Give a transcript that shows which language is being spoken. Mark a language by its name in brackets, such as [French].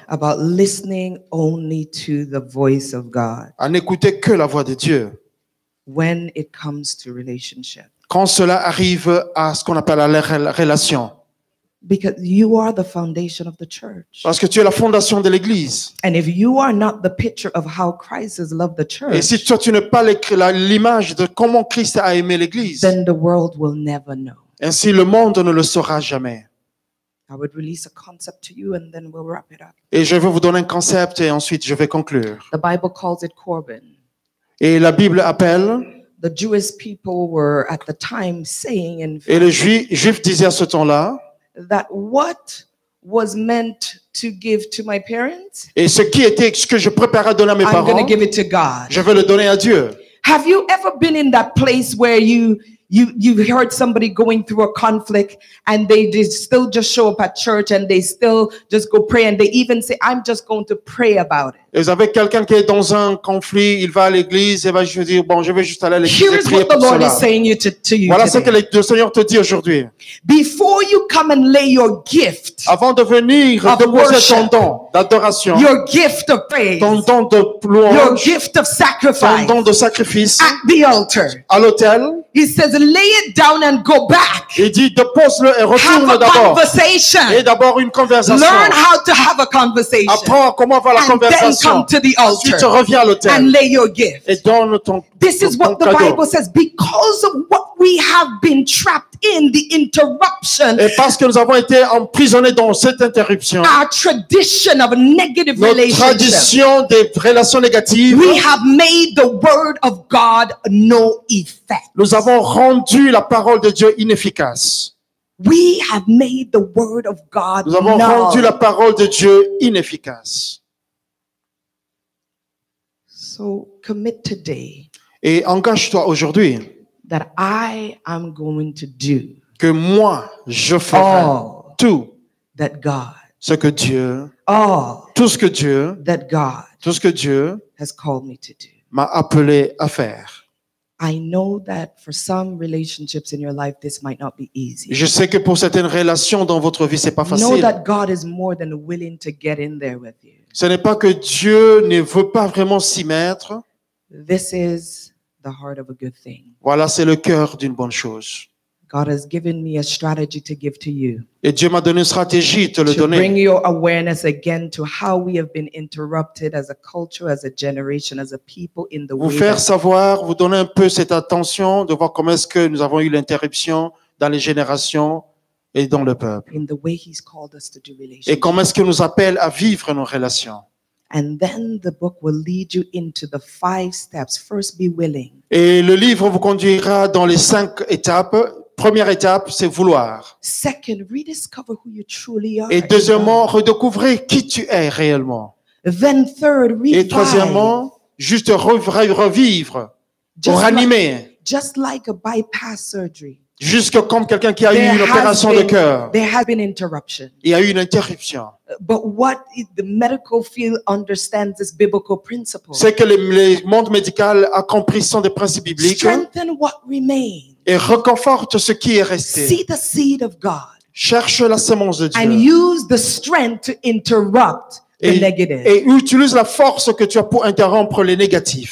[English] About listening only to the voice of God. [French] À n'écouter que la voix de Dieu. [English] When it comes to relationship. [French] Quand cela arrive à ce qu'on appelle la relation. [English] Because you are the foundation of the church. [French] Parce que tu es la fondation de l'église. [English] And if you are not the picture of how Christ has loved the church. [French] Et si toi tu n'es pas l'image de comment Christ a aimé l'église. [English] Then the world will never know. [French] Ainsi le monde ne le saura jamais. [English] I would release a concept to you and then we'll wrap it up. [French] Et je vais vous donner un concept et ensuite je vais conclure. [English] The Bible calls it Corban. [French] Et la Bible appelle. [English] The Jewish people were at the time saying in fact, [French] et les Juifs disaient à ce temps-là. [English] That what was meant to give to my parents. [French] Et ce que je préparais donner à mes [English] I'm [French] parents. [English] I'm going to give it to God. [French] Je vais le donner à Dieu. [English] Have you ever been in that place where you heard somebody going through a conflict and they just still just show up at church and they still just go pray and they even say I'm just going to pray about it. [French] Vous avez quelqu'un qui est dans un conflit, il va à l'église et va juste dire bon, je vais juste aller à l'église et prier pour cela. [English] Here's what the Lord is saying to you. [French] Voilà [English] today. [French] Ce que le Seigneur te dit aujourd'hui. [English] Before you come and lay your gift. [French] Avant de venir déposer ton don d'adoration. [English] Your gift of praise. [French] Ton don de louange. [English] Your gift of sacrifice. [French] Ton don de sacrifice. [English] At the altar. [French] À l'autel. [English] He says, lay it down and go back. [French] Il dit, dépose-le et retourne d'abord. Et d'abord une conversation. [English] Learn how to have a conversation. [French] Apprends comment avoir la conversation. [English] And then come to the altar. [French] Ensuite, reviens à l'autel. [English] And lay your gift. [French] Et donne ton cadeau. [English] This is what the [French] cadeau. [English] Bible says. Because of what we have been trapped in, the interruption. [French] Et parce que nous avons été emprisonnés dans cette interruption. [English] Our tradition of negative relationships. [French] Notre tradition des relations négatives. [English] We have made the word of God no effect. [French] Nous avons rendu la parole de Dieu inefficace. [English] We have made the word of God null. [French] Nous avons rendu la parole de Dieu inefficace. [English] So commit today. [French] Et engage-toi aujourd'hui. [English] That I am going to do. [French] Que moi je ferai tout. [English] That God. [French] Ce que Dieu. [English] All. [French] Tout ce que Dieu. [English] That God. [French] Tout ce que Dieu. [English] Has called me to do. [French] M'a appelé à faire. [English] I know that for some relationships in your life, this might not be easy. [French] Je sais que pour certaines relations dans votre vie, c'est pas facile. [English] Know that God is more than willing to get in there with you. [French] Ce n'est pas que Dieu ne veut pas vraiment s'y mettre. [English] This is the heart of a good thing. [French] Voilà, c'est le cœur d'une bonne chose. [English] God has given me a strategy to give to you. [French] Et Dieu m'a donné une stratégie de le donner. [English] To bring your awareness again to how we have been interrupted as a culture, as a generation, as a people in the world. [French] Vous faire savoir, vous donner un peu cette attention de voir comment est-ce que nous avons eu l'interruption dans les générations et dans le peuple. [English] In the way he's called us to do relationships. [French] Et comment est-ce qu'il nous appelle à vivre nos relations. [English] And then the book will lead you into the five steps. First, be willing. [French] Et le livre vous conduira dans les cinq étapes. Première étape, c'est vouloir. [English] Second, rediscover who you truly are. [French] Et deuxièmement, redécouvrir qui tu es réellement. [English] Then third, revive. [French] Et troisièmement, juste revivre, just ranimer. [English] Like, just like a bypass surgery. [French] Jusque comme quelqu'un qui a [English] there [French] eu une opération [English] been, [French] de cœur. [English] There has been interruption. [French] Il y a eu une interruption. [English] But what the medical field understands is biblical principles. [French] C'est que le monde médical a compris sont des principes bibliques. [English] Strengthen what remains. [French] Et reconforte ce qui est resté. [English] See the seed of God. [French] Cherche la semence de Dieu. [English] And use the strength to interrupt the negative. [French] Et utilise la force que tu as pour interrompre les négatifs.